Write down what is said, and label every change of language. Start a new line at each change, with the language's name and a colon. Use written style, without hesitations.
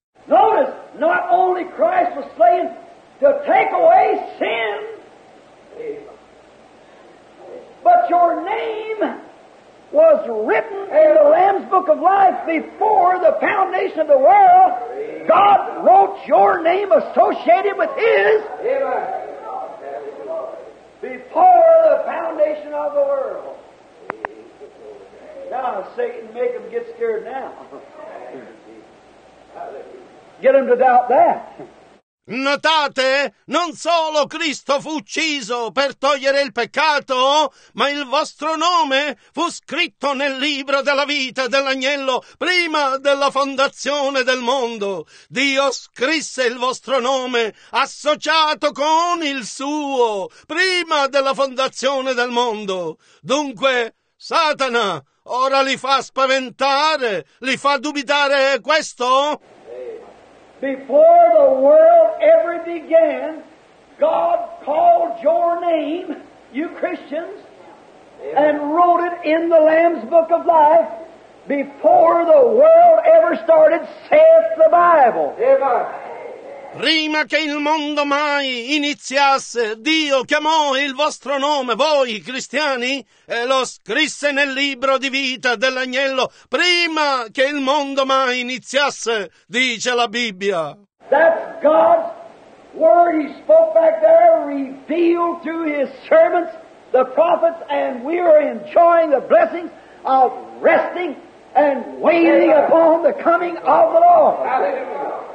English: Notice, not only Christ was slain to take away sin, but your name was written in the Lamb's Book of Life before the foundation of the world. God wrote your name associated with His before the foundation of the world. Now, Satan, make them get scared now. Get them to doubt that.
Italian: Notate, non solo Cristo fu ucciso per togliere il peccato, ma il vostro nome fu scritto nel libro della vita dell'agnello prima della fondazione del mondo. Dio scrisse il vostro nome associato con il suo prima della fondazione del mondo. Dunque, Satana ora li fa spaventare, li fa dubitare questo?
English: Before the world ever began, God called your name, you Christians, Amen. And wrote it in the Lamb's Book of Life. Before the world ever started, saith the Bible. Amen.
Italian: Prima che il mondo mai iniziasse, Dio chiamò il vostro nome, voi cristiani, e lo scrisse nel libro di vita dell'agnello, prima che il mondo mai iniziasse, dice la Bibbia.
English: That's God's word he spoke back there, revealed to his servants, the prophets, and we are enjoying the blessings of resting and waiting upon the coming of the Lord.